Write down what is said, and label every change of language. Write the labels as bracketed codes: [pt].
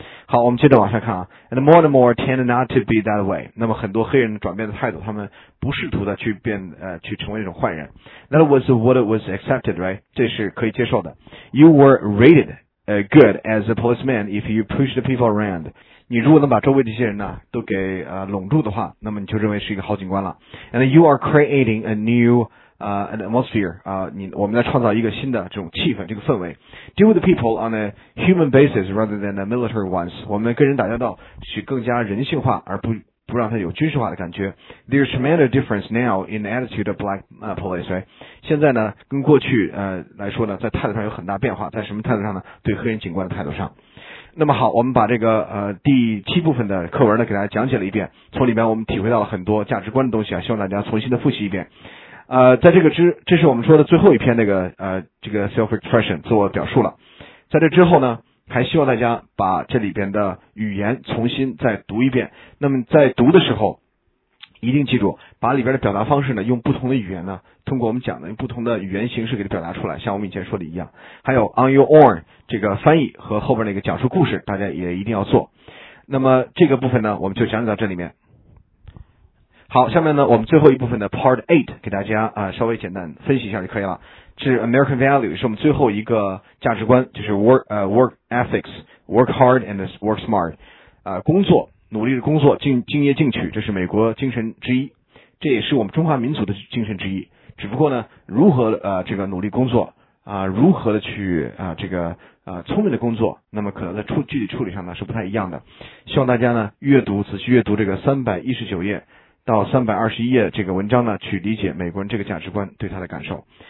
[zh] 好，我们接着往下看啊。 [en] And more and more tend not to be that way。 [zh] 那么很多黑人转变的态度，他们不试图的去变去成为那种坏人。 [en] That was what was accepted, right? [zh] 这是可以接受的。 [en] You were rated good as a policeman if you pushed people around。 [zh] 你如果能把周围这些人呢都给拢住的话，那么你就认为是一个好警官了。 [en] And you are creating a new an atmosphere。 [zh] 我们在创造一个新的这种气氛，这个氛围。 [en] Deal with people on a human basis rather than a military ones。 [zh] 我们跟人打交道是更加人性化，而不让他有军事化的感觉。 [en] There's tremendous difference now in the attitude of black police, right? [zh] 现在呢，跟过去来说呢，在态度上有很大变化。在什么态度上呢？对黑人警官的态度上。那么好，我们把这个第七部分的课文呢给大家讲解了一遍，从里面我们体会到了很多价值观的东西啊，希望大家重新的复习一遍。在这个这是我们说的最后一篇那个这个 self expression 自我表述了。在这之后呢，还希望大家把这里边的语言重新再读一遍。那么在读的时候，一定记住把里边的表达方式呢，用不同的语言呢，通过我们讲的用不同的语言形式给它表达出来，像我们以前说的一样。还有 on your own 这个翻译和后边那个讲述故事，大家也一定要做。那么这个部分呢，我们就讲解到这里面。好，下面呢，我们最后一部分的 Part 8给大家稍微简单分析一下就可以了。是 American Value， 是我们最后一个价值观，就是 Work Ethics， [en] Work Hard and Work Smart。 [zh] 工作，努力的工作，敬业进取，这是美国精神之一，这也是我们中华民族的精神之一。只不过呢，如何这个努力工作如何的去这个聪明的工作，那么可能在具体处理上呢是不太一样的。希望大家呢阅读，仔细阅读这个319页。到321页这个文章呢，去理解美国人这个价值观对他的感受。